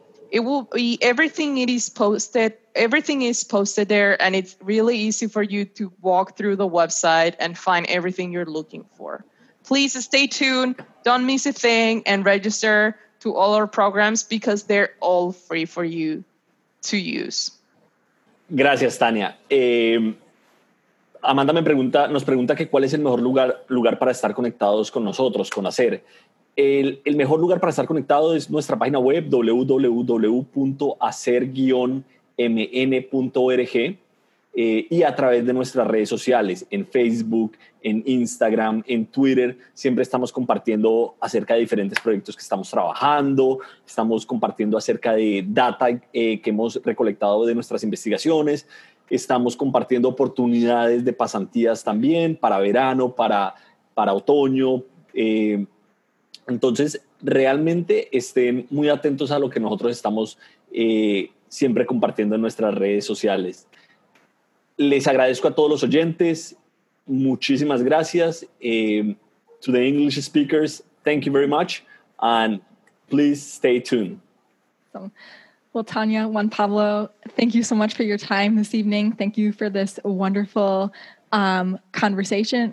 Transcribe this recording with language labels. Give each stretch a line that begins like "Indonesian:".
English: It will be everything is posted there, and it's really easy for you to walk through the website and find everything you're looking for. Please stay tuned, don't miss a thing, and register to all our programs because they're all free for you to use.
Spanish: Gracias, Tania. Amanda nos pregunta que cuál es el mejor lugar para estar conectados con nosotros, con HACER. El mejor lugar para estar conectado es nuestra página web, www.hacer-mn.org. Y a través de nuestras redes sociales, en Facebook, en Instagram, en Twitter, siempre estamos compartiendo acerca de diferentes proyectos que estamos trabajando, estamos compartiendo acerca de data que hemos recolectado de nuestras investigaciones, estamos compartiendo oportunidades de pasantías también para verano, para otoño. Entonces, realmente estén muy atentos a lo que nosotros estamos siempre compartiendo en nuestras redes sociales. Les agradezco a todos los oyentes. Muchísimas gracias.
English: To the English speakers, thank you very much. And please stay tuned. Awesome. Well, Tania, Juan Pablo, thank you so much for your time this evening. Thank you for this wonderful conversation.